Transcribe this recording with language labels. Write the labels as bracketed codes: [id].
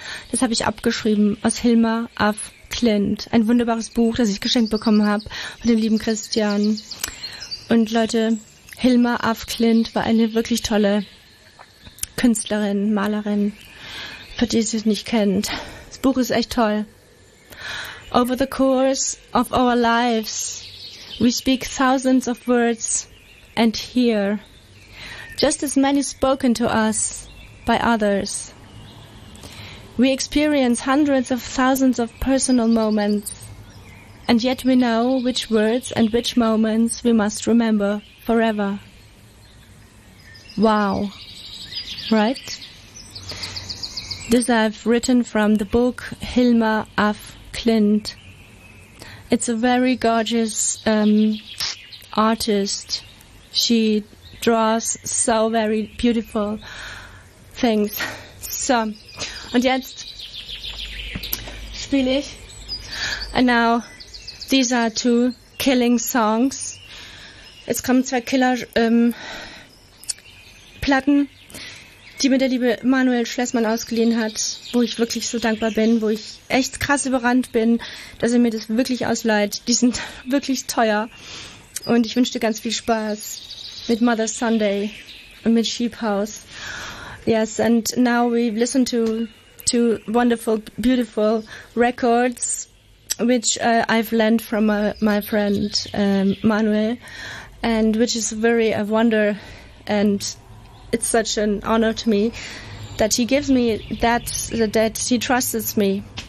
[de] Das habe ich abgeschrieben aus Hilma af Klint. Ein wunderbares Buch, das ich geschenkt bekommen habe von dem lieben Christian. Und Leute, Hilma af Klint war eine wirklich tolle Künstlerin, Malerin, für die sie es nicht kennt. Das Buch ist echt toll. [en] Over the course of our lives, we speak thousands of words and hear just as many spoken to us by others. We experience hundreds of thousands of personal moments, and yet we know which words and which moments we must remember forever. Wow, right? This I've written from the book Hilma af Klint. It's a very gorgeous artist. She draws so very beautiful things. So, [de] Und jetzt spiele ich. [en] And now, these are two killing songs. [de] Jetzt kommen zwei Killer-Platten, die mir der liebe Manuel Schlessmann ausgeliehen hat, wo ich wirklich so dankbar bin, wo ich echt krass überrannt bin, dass er mir das wirklich ausleiht. Die sind wirklich teuer. Und ich wünsche dir ganz viel Spaß mit Mother Sunday und mit Sheep House. [en] Yes, and now we listen to two wonderful, beautiful records, which I've learned from my friend Manuel, and which is very a wonder, and it's such an honor to me that he gives me that he trusts me.